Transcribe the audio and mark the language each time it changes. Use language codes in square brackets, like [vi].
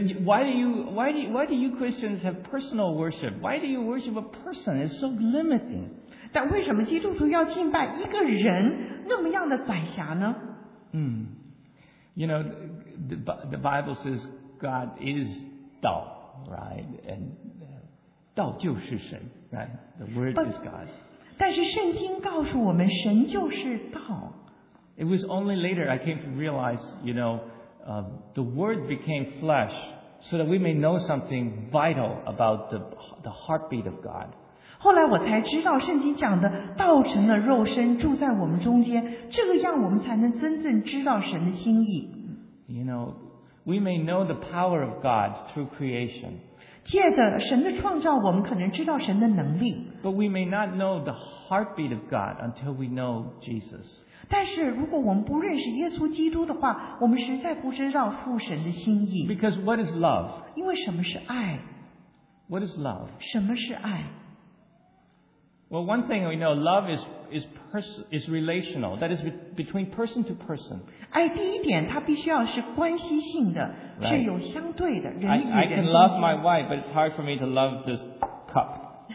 [en] why do you Christians have personal worship? Why do you worship a person? It's so limiting. [zh] 但为什么基督徒要敬拜一个人那么样的宰辖呢？ [en] You know, the Bible says God is 道 right? [zh] And 道就是神 right? [en] The word is God. [zh] 但是圣经告诉我们，神就是道。 [en] It was only later I came to realize, you know, the Word became flesh so that we may know something vital about the heartbeat of God. [zh] 后来我才知道圣经讲的道成了肉身住在我们中间，这个样我们才能真正知道神的心意。 [en] You know, we may know the power of God through creation. [zh] 借着神的创造，我们可能知道神的能力。 [en] But we may not know the heartbeat of God until we know Jesus. [zh] 但是如果我们不认识耶稣基督的话，我们实在不知道父神的心意。 [en] Because what is love? [zh] 因为什么是爱？ [en] What is love? [zh] 什么是爱？ [en] Well, one thing we know, love is relational. That is between person to person. [zh] 爱第一点，它必须要是关系性的， [en] right. [zh] 是有相对的，人与人之 [en] 间。I can love my wife, but it's hard for me to love this cup.